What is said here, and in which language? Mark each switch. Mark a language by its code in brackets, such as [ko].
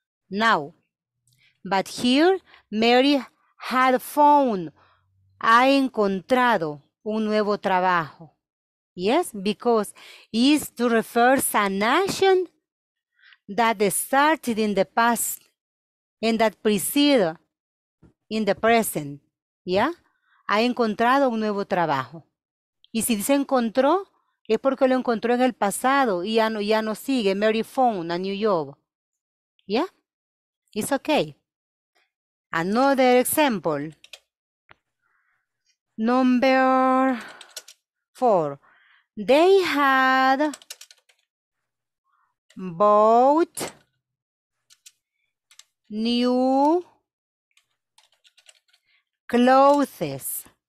[en] Now, but here, Mary had found, [es] ha encontrado un nuevo trabajo. [en] Yes, because is to refer to an action that started in the past and that preceded in the present, yeah? [es] Ha encontrado un nuevo trabajo. Y si dice encontró, es porque lo encontró en el pasado y ya no sigue. [en] Mary found a new job, yeah? It's okay. Another example. Number four. They had bought new clothes.